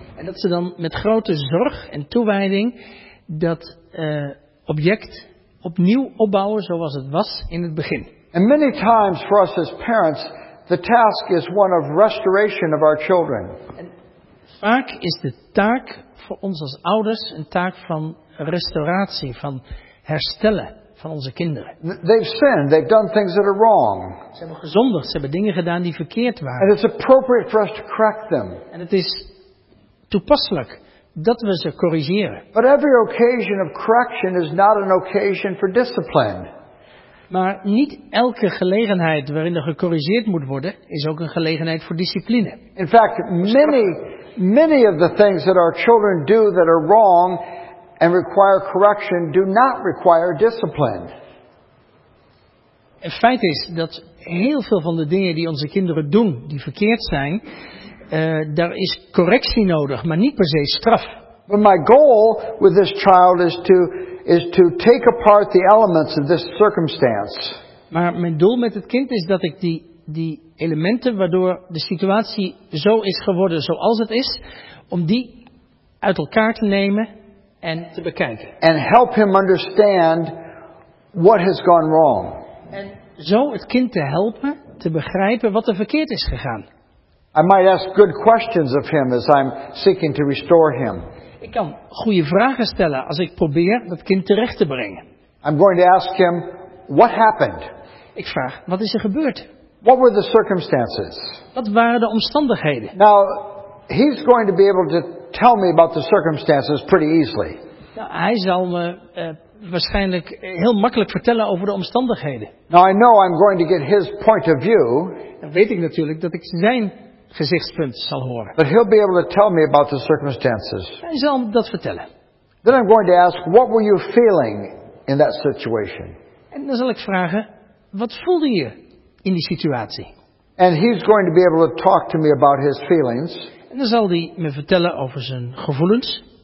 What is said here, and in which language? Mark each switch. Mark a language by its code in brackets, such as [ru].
[nl] En dat ze dan met grote zorg en toewijding dat object opnieuw opbouwen zoals het was in het begin. [en] And many times for us as parents, the task is one of restoration of our children. [nl] Vaak is de taak voor ons als ouders een taak van restauratie, van herstellen van onze kinderen. [en] They've sinned, they've done things that are wrong. [nl] Ze hebben gezondigd, ze hebben dingen gedaan die verkeerd waren. [en] And it's appropriate for us to correct them. [nl] En het is toepasselijk dat we ze corrigeren. [en] But every occasion of correction is not an occasion for discipline. [nl] Maar niet elke gelegenheid waarin er gecorrigeerd moet worden, is ook een gelegenheid voor discipline. [en] In fact, many of the things that our children do that are wrong and require correction do not require discipline. [nl] Het feit is dat heel veel van de dingen die onze kinderen doen, die verkeerd zijn, daar is correctie nodig, maar niet per se straf. [en] But my goal with this child is to take apart the elements of this circumstance. [nl] Maar mijn doel met het kind is dat ik die elementen waardoor de situatie zo is geworden zoals het is, om die uit elkaar te nemen en te bekijken. [en] And help him understand what has gone wrong. [nl] En zo het kind te helpen te begrijpen wat er verkeerd is gegaan. [en] I might ask good questions of him as I'm seeking to restore him. [nl] Ik kan goede vragen stellen als ik probeer dat kind terecht te brengen. [en] I'm going to ask him what happened. [nl] Ik vraag: wat is er gebeurd? [en] What were the circumstances? [nl] Wat waren de omstandigheden? [en] Now, he's going to be able to tell me about the circumstances pretty easily. [nl] Nou, hij zal me waarschijnlijk heel makkelijk vertellen over de omstandigheden. [en] Now I know I'm going to get his point of view. [nl] Dan weet ik natuurlijk dat ik zijn gezichtspunt zal horen. [en] But he'll be able to tell me about the circumstances. [nl] Hij zal me dat vertellen. [en] Then I'm going to ask, what were you feeling in that situation? [nl] En dan zal ik vragen: wat voelde je in die situatie? [en] And he's going to be able to talk to me about his feelings. [nl] En dan zal hij me vertellen over zijn gevoelens.